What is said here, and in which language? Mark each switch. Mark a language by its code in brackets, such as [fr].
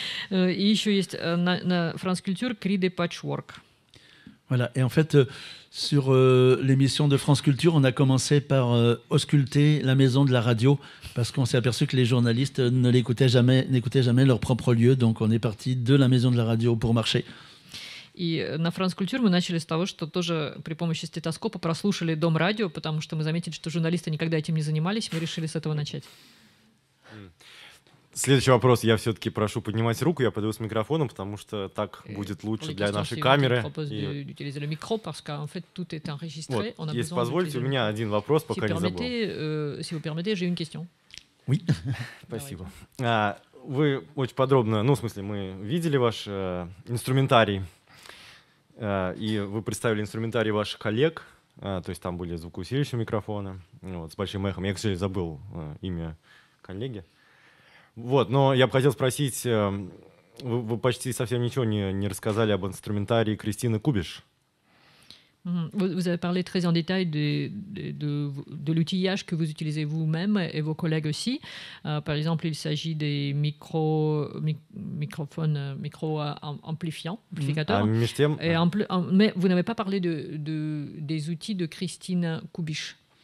[ru] И еще есть на France Culture «Cri de Patchwork». [fr] Voilà, et en fait, sur l'émission de France Culture, on a commencé par ausculter la maison de la radio, parce qu'on s'est aperçu que les journalistes ne l'écoutaient jamais, n'écoutaient jamais leur propre lieu, donc on est parti de la maison de la radio pour marcher. [ru] И на France Culture мы начали с того, что тоже при помощи стетоскопа прослушали дом радио, потому что мы заметили, что журналисты никогда этим не занимались, мы решили с этого начать. Следующий вопрос. Я все-таки прошу поднимать руку. Я подойду с микрофоном, потому что так будет лучше для нашей камеры. Если позволите, у меня один вопрос, пока не забыл. Спасибо. Вы очень подробно, ну, в смысле, мы видели ваш инструментарий, и вы представили инструментарий ваших коллег, то есть там были звукоусилища микрофона, вот, с большим эхом. Я, к сожалению, забыл имя коллеги. Вот, но я бы хотел спросить, вы почти совсем ничего не рассказали об инструментарии Кристины Кубиш. [fr] Vous avez parlé très en détail de l'outillage que vous utilisez vous-même et vos collègues aussi. Par exemple, il s'agit des micro-amplificateurs. Mais vous n'avez pas parlé des outils de Kristine Kubisch.